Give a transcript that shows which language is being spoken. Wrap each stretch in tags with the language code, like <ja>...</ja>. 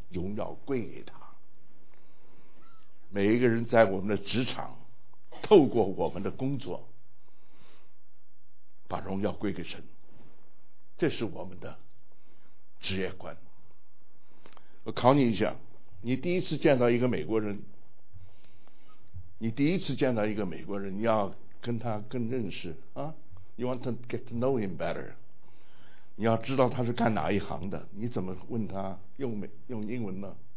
<zh>荣耀归给他。每一个人在我们的职场，透过我们的工作，把荣耀归给神，这是我们的职业观。我考你一下，你第一次见到一个美国人，你第一次见到一个美国人，你要跟他更认识啊。</zh> <en>You want to get to know him better.</en> <zh>你要知道他是干哪一行的，你怎么问他用英文呢？</zh>